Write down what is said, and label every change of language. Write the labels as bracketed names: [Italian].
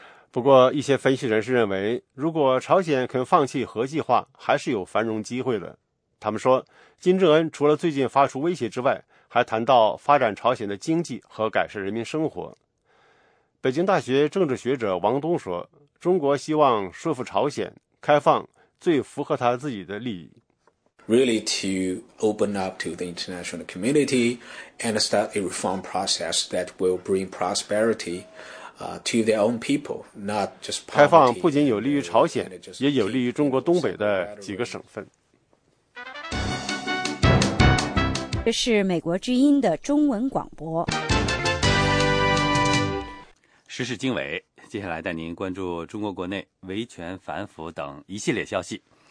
[Chinese] 不过，一些分析人士认为，如果朝鲜肯放弃核计划，还是有繁荣机会的。他们说，金正恩除了最近发出威胁之外，还谈到发展朝鲜的经济和改善人民生活。北京大学政治学者王东说，中国希望说服朝鲜开放最符合他自己的利益。 [English] Really to open up to the international community and start a reform process that will bring prosperity to their own people, not just poverty. [Chinese] 开放不仅有利于朝鲜，也有利于中国东北的几个省份。这是美国之音的中文广播。时事经纬，接下来带您关注中国国内维权反腐等一系列消息。